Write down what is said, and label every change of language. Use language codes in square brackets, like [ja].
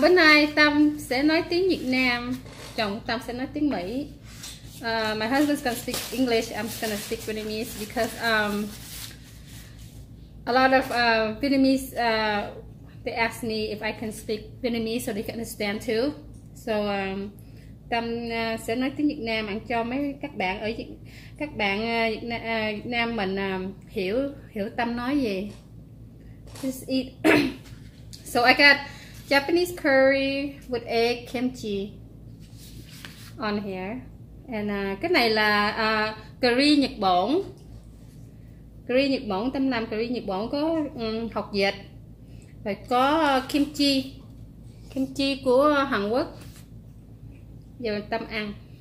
[vi] Bữa nay Tâm sẽ nói tiếng Việt Nam. Chồng Tâm sẽ nói tiếng Mỹ. [en] My husband's gonna speak English. I'm gonna speak Vietnamese because a lot of Vietnamese they ask me if I can speak Vietnamese so they can understand too. [vi] So Tâm sẽ nói tiếng Việt Nam cho mấy các bạn ở các bạn Việt Nam mình hiểu Tâm nói gì. [en] Just eat. So I got Japanese curry with egg kimchi on here. [vi] And cái này là curry Nhật Bản. Curry Nhật Bản, Tâm làm curry Nhật Bản có hạt dệt. Rồi có kimchi. Kimchi của Hàn Quốc. Giờ Tâm ăn.